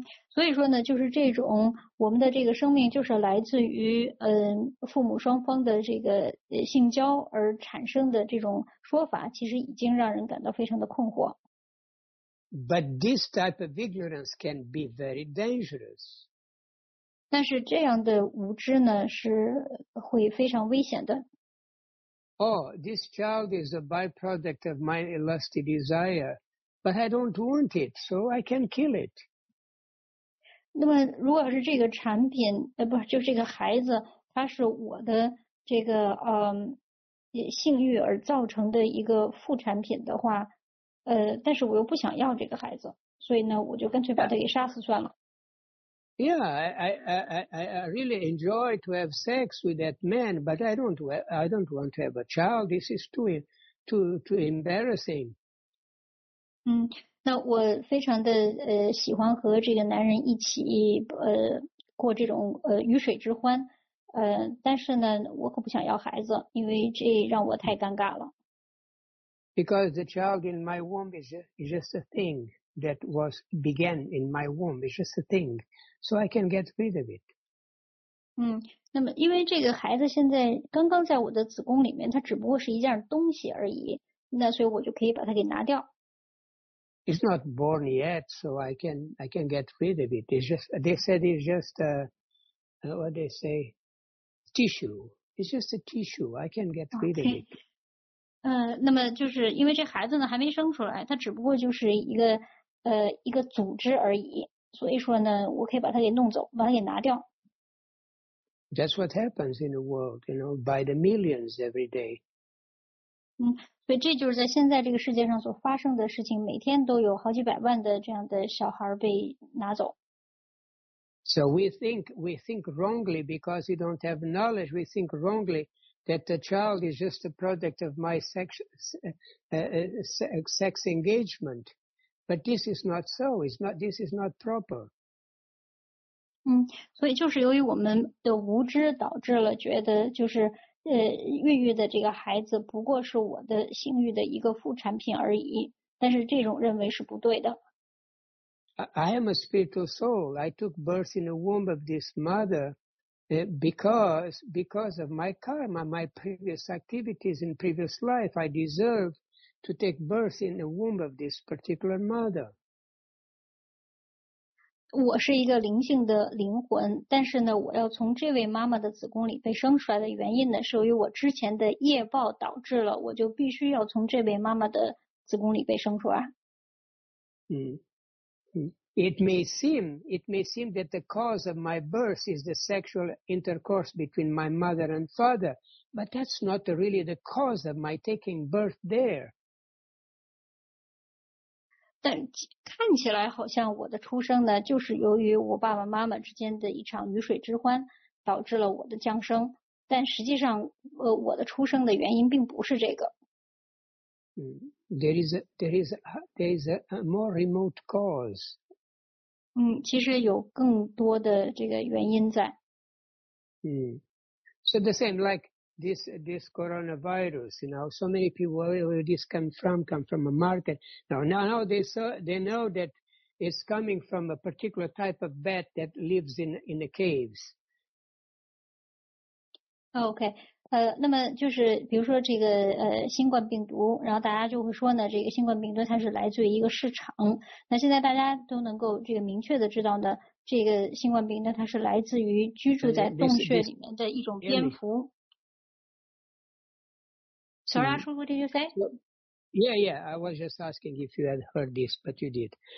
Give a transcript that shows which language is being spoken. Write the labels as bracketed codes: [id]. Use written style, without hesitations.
[zh] 所以说呢，就是这种我们的这个生命就是来自于父母双方的这个性交而产生的这种说法，其实已经让人感到非常的困惑。 [en] But this type of ignorance can be very dangerous. [zh] 但是这样的无知呢，是会非常危险的。 [en] Oh, this child is a byproduct of my lusty desire, but I don't want it, so I can kill it. [zh] 那么如果是这个产品，不是，就这个孩子，他是我的这个性欲而造成的一个副产品的话，但是我又不想要这个孩子，所以呢，我就干脆把他给杀死算了。 [en] Yeah, I really enjoy to have sex with that man, but I don't want to have a child. This is too too embarrassing. [zh] 那我非常的喜欢和这个男人一起过这种鱼水之欢，但是呢，我可不想要孩子，因为这让我太尴尬了。 [en] Because the child in my womb is just a thing that was began in my womb. It's just a thing, so I can get rid of it. [zh] 那么因为这个孩子现在刚刚在我的子宫里面，它只不过是一件东西而已，那所以我就可以把它给拿掉。 [en] It's not born yet, so I can get rid of it. They said it's just a tissue. It's just a tissue. I can get rid of it. [zh] 那么就是因为这孩子呢还没生出来，它只不过就是一个组织而已，所以说呢，我可以把它给弄走，把它给拿掉。 [en] That's what happens in the world, you know, by the millions every day. [zh] 所以这就是在现在这个世界上所发生的事情，每天都有好几百万的这样的小孩被拿走。 [en] So we think wrongly because we don't have knowledge. We think wrongly that the child is just a product of my sex engagement. But this is not so. This is not proper. [zh] 所以就是由于我们的无知导致了觉得就是孕育的这个孩子不过是我的性欲的一个副产品而已，但是这种认为是不对的。 [en] I am a spiritual soul. I took birth in the womb of this mother because of my karma, my previous activities in previous life. I deserve to take birth in the womb of this particular mother. [zh] 我是一个灵性的灵魂，但是呢，我要从这位妈妈的子宫里被生出来的原因呢，是由于我之前的业报导致了，我就必须要从这位妈妈的子宫里被生出来。 [en] It may seem that the cause of my birth is the sexual intercourse between my mother and father, but that's not really the cause of my taking birth there. [zh] 但看起来好像我的出生呢，就是由于我爸爸妈妈之间的一场鱼水之欢，导致了我的降生。但实际上，我的出生的原因并不是这个。 [en] There is a more remote cause. [zh] 其实有更多的这个原因在。 [en] So the same like this coronavirus, you know, so many people where this come from a market. Now they know that it's coming from a particular type of bat that lives in the caves. Okay. [zh] 那么就是比如说这个新冠病毒，然后大家就会说呢，这个新冠病毒它是来自于一个市场。那现在大家都能够这个明确的知道呢，这个新冠病毒它是来自于居住在洞穴里面的一种蝙蝠。 [en] Sorry, what did you say? I was just asking if you had heard this, but you did.